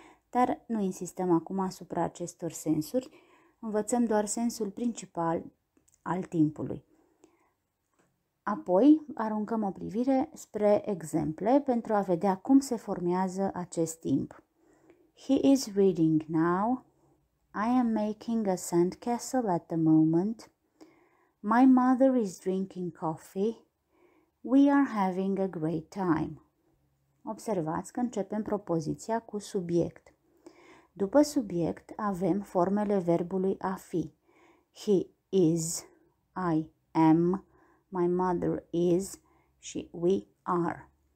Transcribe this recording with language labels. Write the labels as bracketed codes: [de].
[ro] Dar nu insistăm acum asupra acestor sensuri, învățăm doar sensul principal al timpului. Apoi, aruncăm o privire spre exemple pentru a vedea cum se formează acest timp. [en] He is reading now. I am making a sand castle at the moment. My mother is drinking coffee. We are having a great time. [ro] Observați că începem propoziția cu subiect. După subiect avem formele verbului a fi. [en] He is, I am, my mother is și we are.